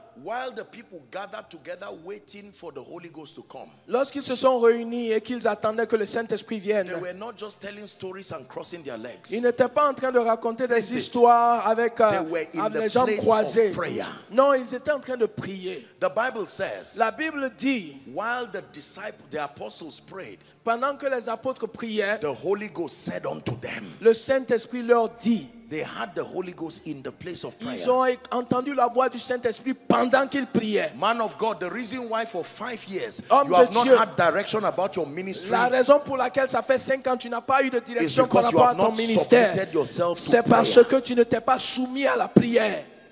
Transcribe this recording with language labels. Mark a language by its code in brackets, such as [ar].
[en] While the people gathered together waiting for the Holy Ghost to come. [fr] Lorsqu'ils se sont réunis et qu'ils attendaient que le Saint-Esprit vienne. [en] They were not just telling stories and crossing their legs. [fr] Ils n'étaient pas en train de raconter des histoires avec les jambes croisées. Non, ils étaient en train de prier. [en] The Bible says. [fr] La Bible dit. [en] While the disciples, the apostles prayed. [fr] Pendant que les apôtres priaient. [en] The Holy Ghost said unto them. [fr] Le Saint-Esprit leur dit. [en] They had the Holy Ghost in the place of prayer. [fr] Ils ont entendu la voix du Saint-Esprit pendant qu'ils priaient. [en] Man of God, the reason why for 5 years you have not had direction about your ministry. [fr] La raison pour laquelle ça fait 5 ans tu n'as pas eu de direction par rapport à ton ministère. [en] Submitted yourself to [fr] c'est parce [en] prayer. [fr] Que tu ne t'es pas soumis à la prière.